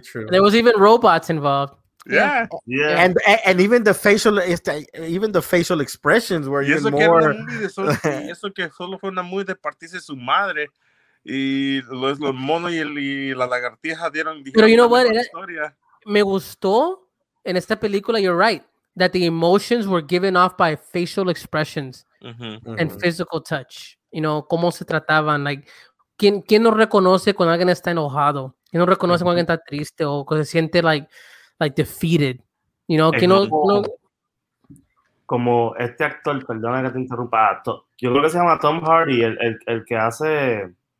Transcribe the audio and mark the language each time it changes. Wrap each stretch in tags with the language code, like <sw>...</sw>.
<en>There was even robots involved. Yeah. And even the facial, even the facial expressions were even more.</en> <es>Eso que solo fue una movie de partirse su madre y los monos y la lagartija dieron.</es> <en>Pero you know what?</en> <es>Me gustó en esta película.</es> <en>You're right that the emotions were given off by facial expressions and physical touch. You know</en> <es>cómo se trataban, like. ¿Quién no reconoce cuando alguien está enojado? ¿Quién no reconoce cuando alguien está triste o que se siente</es> <en>like defeated? You know,</en> <es>¿quién no? Como este actor, perdona que te interrumpa, yo creo que se llama Tom Hardy, el que hace</es>